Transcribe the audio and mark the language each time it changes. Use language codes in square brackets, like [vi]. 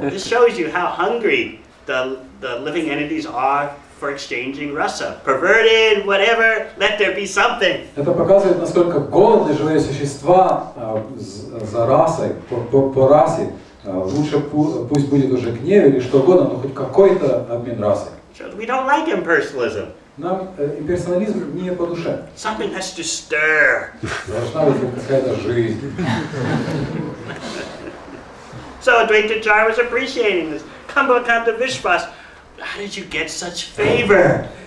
[en] This shows you how hungry the living entities are for exchanging rasa. Perverted, whatever, let there be something. [ru] Это показывает, насколько голодны живые существа за расой, по расе. Лучше пусть будет уже гнев или что угодно, но хоть какой-то обмен расой. [en] We don't like impersonalism. [ru] Нам имперсонализм не по душе. [en] Something has to stir. [ru] Должна быть какая-то жизнь. [en] So Advaita Acharya was appreciating this. Kamalakanta Vishwas, how did you get such favor?